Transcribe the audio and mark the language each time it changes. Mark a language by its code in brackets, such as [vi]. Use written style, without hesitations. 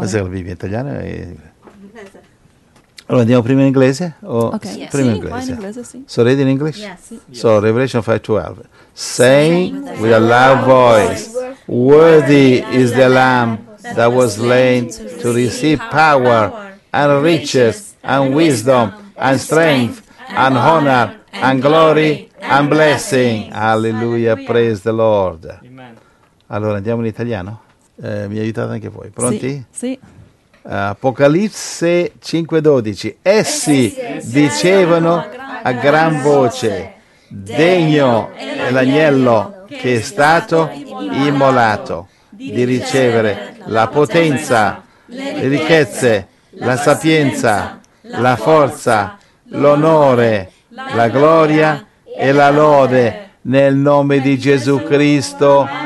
[it] Cos'è la Bibbia, italiano e allora andiamo prima in inglese? Prima in inglese. [en] So read in English? Yes. So Revelation 5:12. Saying with a loud voice, worthy is the Lamb that was slain to receive power and riches and wisdom and strength and honor and glory and blessing. Alleluia, praise the Lord. [it] Allora andiamo in italiano? Mi aiutate anche voi? Pronti? Sì. Apocalisse 5:12. Essi dicevano a gran voce: degno è l'agnello che è stato immolato di ricevere la potenza, le ricchezze, la sapienza, la forza, l'onore, la gloria e la lode nel nome di Gesù Cristo.